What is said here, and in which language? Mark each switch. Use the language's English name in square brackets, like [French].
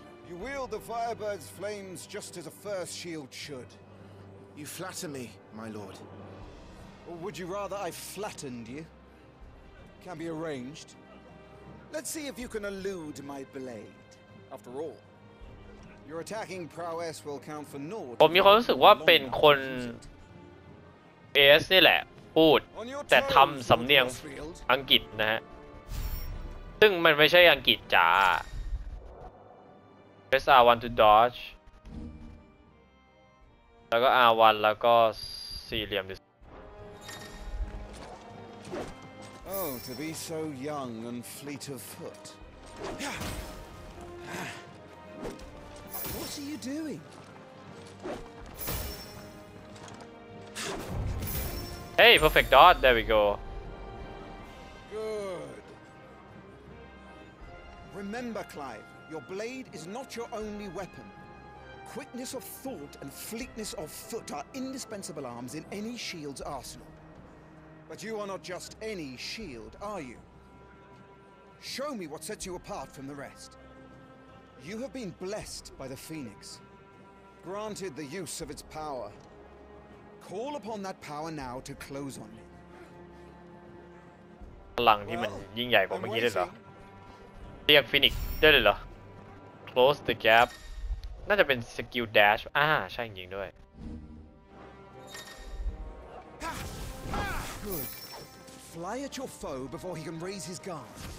[English] You wield the Firebird's flames just as a first shield should. You flatter me, my lord. Or would you rather I flattened you? Can be arranged. Let's see if you can elude my blade. After all, your attacking prowess will count for naught. [Thai] ผมมีความรู้สึกว่าเป็นคนเอสนี่แหละพูดแต่ทำสำเนียงอังกฤษนะฮะซึ่งมันไม่ใช่อังกฤษจ้า [English] press R1 to dodge [Thai] แล้วก็ R1 แล้วก็สี่เหลี่ยมดิ [English] Oh, to be so young and fleet of foot. What are you doing? Hey, perfect dodge. There we go. Good. Remember, Clive, your blade is not your only weapon. Quickness of thought and fleetness of foot are indispensable arms in any shield's arsenal. But you are not just any shield, are you? Show me what sets you apart from the rest. You have been blessed by the Phoenix, granted the use of its power. Call upon that power now to close on me. [Thai] พลังที่มันยิ่งใหญ่กว่าเมื่อกี้ได้เหรอเรียกฟีนิกซ์ได้เลยเหรอ [English] Close the gap. [Thai] น่าจะเป็นสกิลแดชใช่จริงด้วย [English] Good. Fly at your foe before he can raise his guard.